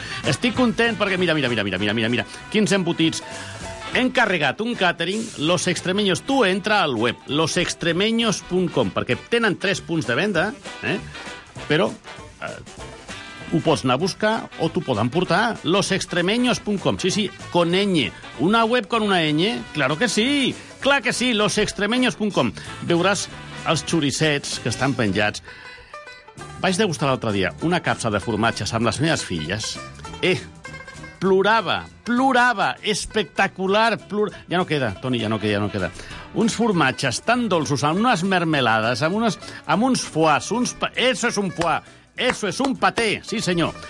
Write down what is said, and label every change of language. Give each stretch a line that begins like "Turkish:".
Catalan: Estic content perquè mira, quins embotits. He encarregat un càtering, Los Extremeños. Tu entra al web losextremeños.com, perquè tenen 3 punts de venda, però ho pots anar a buscar o t'ho poden portar.
Spanish: Losextremeños.com, sí, sí, con ñ. Una web con una ñ? Claro que sí,
Catalan: clar que sí,
Spanish: losextremeños.com.
Catalan: Veuràs els xuricets que estan penjats. Vaig degustar l'altre dia una capsa de formatges amb les meves filles. Plorava, espectacular, ja no queda, Toni, ja no queda. Uns formatges tan dolços, amb unes mermelades, amb uns foies,
Spanish: eso es un foie, eso es un paté,
Catalan: sí senyor.